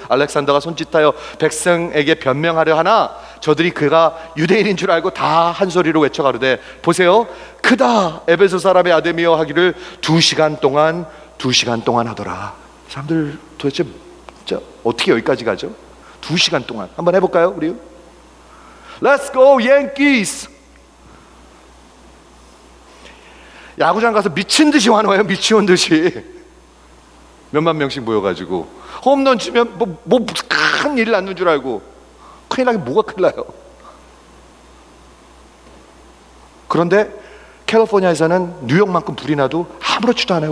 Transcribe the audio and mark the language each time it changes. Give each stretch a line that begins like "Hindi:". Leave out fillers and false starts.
Korean: 알렉산더가 손짓하여 백성에게 변명하려 하나 저들이 그가 유대인인 줄 알고 다 한 소리로 외쳐가르되 보세요 크다 에베소 사람의 아들이여 하기를 두 시간 동안 하더라. 사람들 도대체 진짜 어떻게 여기까지 가죠? 두 시간 동안 한번 해볼까요?
English: 우리 Let's go Yankees.
Korean: 야구장 가서 미친 듯이 환호해요. 미친 듯이 몇만 명씩 모여가지고 홈런 치면 뭐 큰 일 났는 줄 알고 큰일 나게 뭐가 큰일 나요. 그런데 캘리포니아에서는 뉴욕만큼 불이 나도 아무렇지도 않아요.